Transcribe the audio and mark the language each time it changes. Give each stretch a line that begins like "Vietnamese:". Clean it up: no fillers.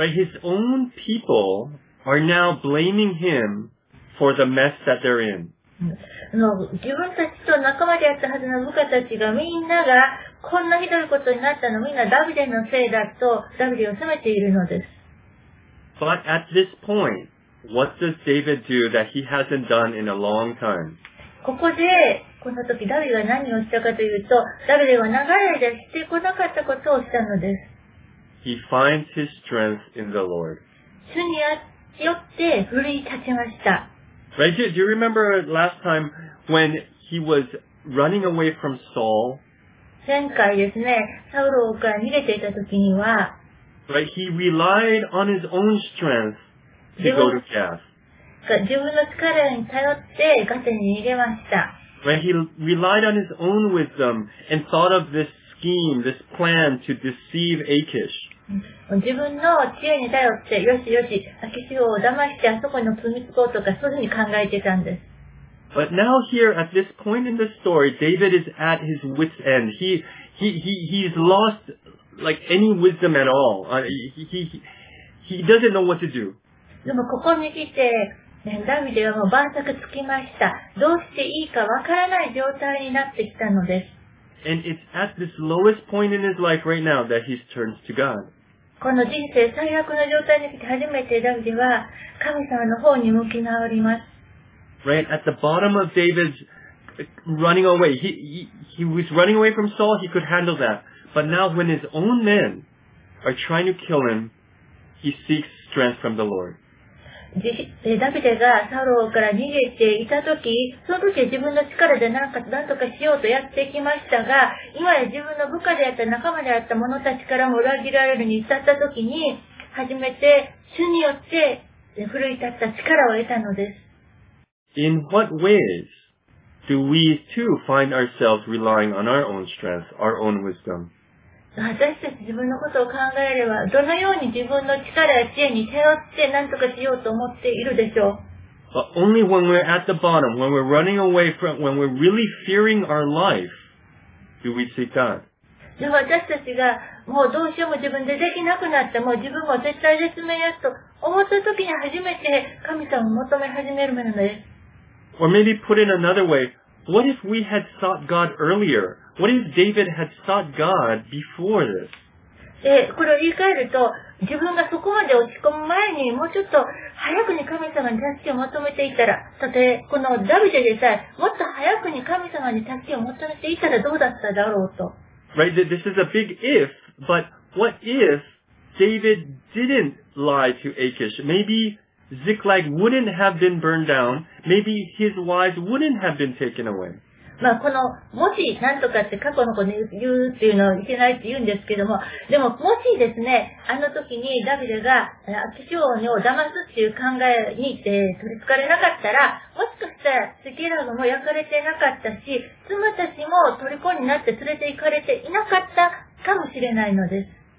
English: Right, his own people are now blaming him. For the mess that they're in.
Japanese: 自分たちと仲間であったはずの部下たちがみんながこんなひどいことになったのみんなダビデのせいだとダビデを責めているのです。
English: But at this point, what does David do that he hasn't done in a long time?
Japanese: ここで、この時ダビデは何をしたかというと、ダビデは長い間してこなかったことをしたのです。
English: He finds his strength in the Lord.
Japanese: 主によって奮い立ちました。
English: Right, do you remember last time when he was running away from Saul?
Japanese: 前回ですね、サウロから逃げていた時には、
English: Right, he relied on his own strength to go to Gath.
Japanese: 自分の力に頼ってガテに逃げました。
English: Right, he relied on his own wisdom and thought of this scheme, this plan to deceive Achish.
Japanese: 自分の知恵に頼って、よしよし、アキシオを騙してあそこに積みつこうとか、そういうふうに考えてたんです。
English: But now here, at this point in the story, David is at his wit's end. He's lost, like, any wisdom at all. He doesn't know what to do.
Japanese: でもここに来て、ダビデはもう晩酌つきました。どうしていいかわからない状態になってきたのです。
English: And it's at this lowest point in his life right now that he turns to God.
Japanese: この人生最悪の状態に来て初めてダビデは神様の方に向き直ります。
English: Right at the bottom of David's running away, he was running away from Saul. He could handle that, but now when his own men are trying to kill him, he seeks strength from the Lord.
Japanese: ダビデがサウロから逃げていたとき、そのときは自分の力で何とかしようとやってきましたが、今や自分の部下であった仲間であった者たちからも裏切られるに至ったときに、初めて主によって奮い立った力を得たのです。
English: In what ways do we too find ourselves relying on our own strength, our own wisdom?
Japanese: 私たち自分のことを考えれば、どのように自分の力や知恵に頼って何とかしようと思っているでしょう。
English: But only when we're at the bottom, when we're running away from, when we're really fearing our life, do we seek God.
Japanese: で、私たちがもうどうしようも自分でできなくなって、もう自分も絶対絶命やと思った時に初めて神様を求め始めるものです。
English: Or maybe put in another way, what if we had sought God earlier? What if David had sought God before this?
Japanese: これを言い換えると、自分がそこまで落ち込む前にもうちょっと早くに神様に助けを求めていたら、たとえこのダビデでさえ、もっと早くに神様に助けを求めていたらどうだっただろうと。
English: Right, this is a big if, but what if David didn't lie to Achish? Maybe Ziklag wouldn't have been burned down. Maybe his wives wouldn't have been taken away.
Japanese: まあこのもし何とかって過去のことに言うっていうのはいけないって言うんですけども、でももしですね、あの時にダビデが騎士王を騙すっていう考えに取り憑かれなかったら、もしかしたらスケラも焼かれてなかったし、妻たちも虜になって連れて行かれていなかったかもしれないのです。